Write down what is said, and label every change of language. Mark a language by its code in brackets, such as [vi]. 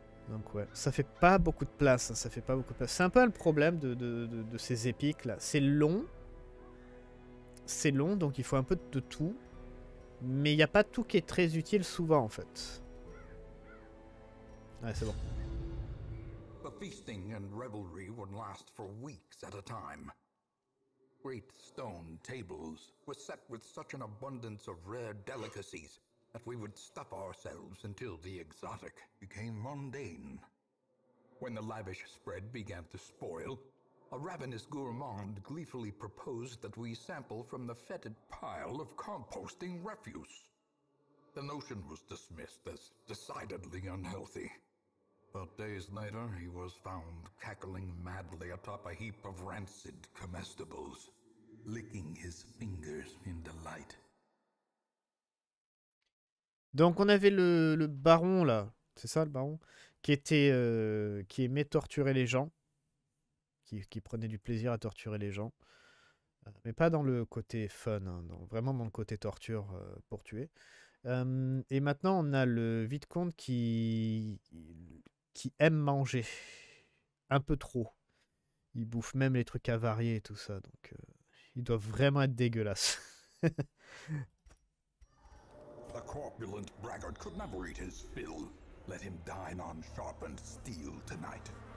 [fr] Donc ouais, ça fait pas beaucoup de place, hein. C'est un peu le problème de ces épiques là. C'est long, donc il faut un peu de tout. Mais il n'y a pas tout qui est très utile souvent en fait. Ouais, c'est bon. [en] The feasting and revelry would last for weeks at a time. Great stone tables were set with such an abundance of rare delicacies that we would stuff ourselves until the exotic became mundane. When the lavish spread began to spoil, a ravenous gourmand gleefully proposed that we sample from the fetid pile of composting refuse. The notion was dismissed as decidedly unhealthy. But days later, he was found cackling madly atop a heap of rancid comestibles, licking his fingers in delight. [fr] Donc on avait le baron là, c'est ça le baron, qui aimait torturer les gens, qui prenait du plaisir à torturer les gens, mais pas dans le côté fun, hein, dans, vraiment dans le côté torture pour tuer. Et maintenant on a le vicomte qui aime manger un peu trop. Il bouffe même les trucs avariés et tout ça, donc il doit vraiment être dégueulasse. [en] The corpulent braggart could never eat his fill. Let him dine on sharpened steel tonight.